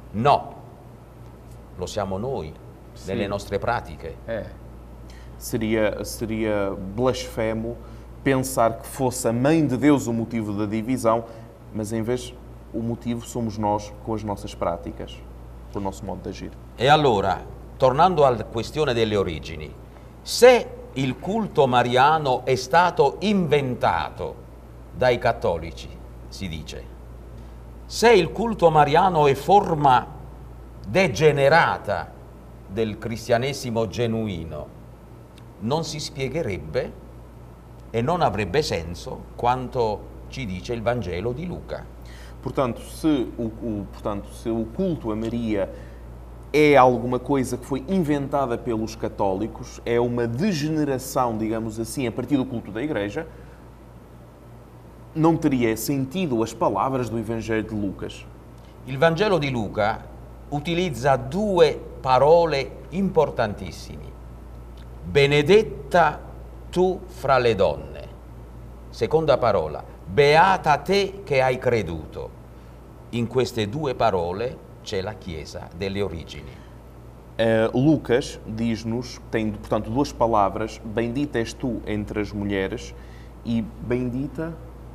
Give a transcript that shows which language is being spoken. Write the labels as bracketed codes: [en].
[it] No, lo siamo noi, nelle nostre pratiche. [pt] Seria blasfemo pensar [it] che fosse [pt] a Mãe de Deus o motivo da divisão, ma in vez o motivo somos nós com as nossas práticas, com o nosso modo de agir. [it] E allora, tornando alla questione delle origini, se il culto mariano è stato inventato dai cattolici, si dice, se il culto mariano è forma degenerata del cristianesimo genuino, non si spiegherebbe e non avrebbe senso quanto ci dice il Vangelo di Luca. [pt] Portanto, [it] se il culto a Maria [pt] é alguma coisa que foi inventada pelos católicos, é uma degeneração, digamos assim, a partir do culto da Igreja, não teria sentido as palavras do Evangelho de Lucas. [it] Il Vangelo di Luca utilizza due parole importantissime. Benedetta tu fra le donne. Seconda parola, beata te che hai creduto. In queste due parole c'è la Chiesa delle origini. [pt] Lucas diz-nos, tem portanto duas palavras, bendita és tu entre as mulheres e bendita...